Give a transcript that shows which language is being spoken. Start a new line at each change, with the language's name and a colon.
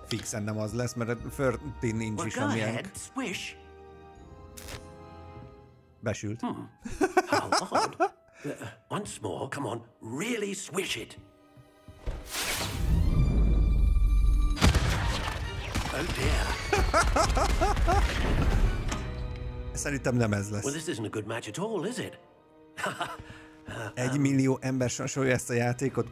Hungarian: Fixen nem az lesz, mert 13 inch is amilyen.
English: Well, go ahead, swish.
Hungarian: Besült.
English: How odd. Once more, come on, really swish it. Oh dear.
Hungarian: Szerintem nem ez lesz.
English: Well, this isn't a good match at all, is it?
Hungarian: Egy millió ember sorsolja ezt a játékot.